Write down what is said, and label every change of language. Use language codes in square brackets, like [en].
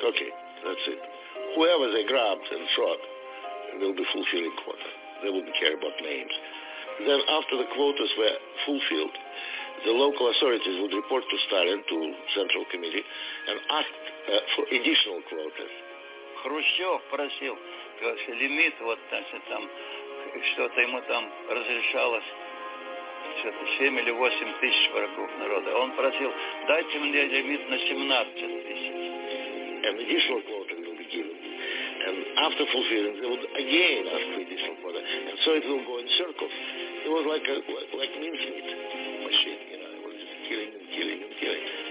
[en] Okay, that's it. Whoever they grabbed and shot will be fulfilling quota. They wouldn't care about names. Then after the quotas were fulfilled, the local authorities would report to Stalin, to Central Committee, and ask for additional quotas. [ru] Хрущев просил, короче, лимит вот так, там, что-то ему там разрешалось. 7 или 8 тысяч врагов народа. Он просил, дайте мне лимит на 17 тысяч. [en] An additional quota will be given. And after fulfilling, they would again ask for additional quota. And so it will go in circles. It was like a like mince meat machine, you know. It was just killing and killing and killing.